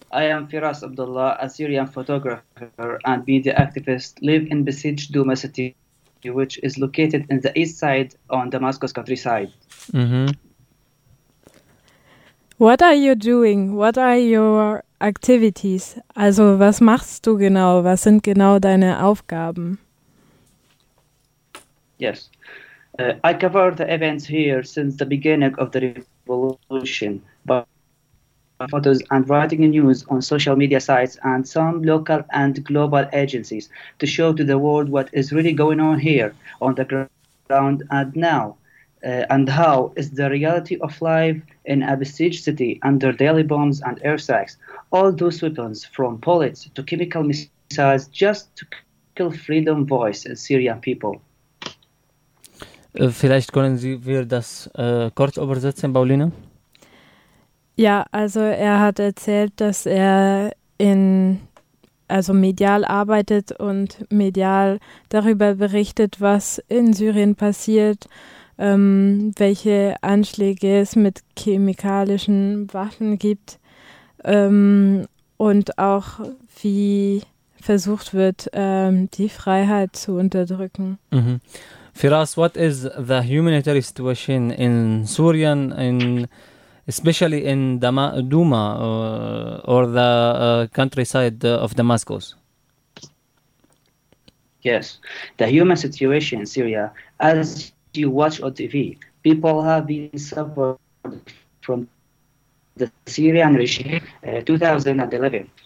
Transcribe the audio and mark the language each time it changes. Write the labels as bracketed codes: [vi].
[en] I am Firas Abdullah, a Syrian photographer and media activist, live in besieged Douma city, which is located in the east side on Damascus countryside. Mm-hmm. What are you doing? What are your activities? [de] Also, was machst du genau? Was sind genau deine Aufgaben? [en] Yes. I cover the events here since the beginning of the revolution by photos and writing news on social media sites and some local and global agencies to show to the world what is really going on here on the ground and now. And how is the reality of life in a besieged city under daily bombs and airstrikes? All those weapons, from bullets to chemical missiles, just to kill freedom voice in Syrian people. [de] Vielleicht können Sie wir das kurz übersetzen, Paulina? Ja, also er hat erzählt, dass er medial arbeitet und medial darüber berichtet, was in Syrien passiert. Welche Anschläge es mit chemikalischen Waffen gibt und auch wie versucht wird, die Freiheit zu unterdrücken. Mm-hmm. [en] Firas, what is the humanitarian situation in Syrian, especially in Douma or the countryside of Damascus? Yes, the human situation in Syria, as you watch on TV, people have been suffered from the Syrian regime in 2011.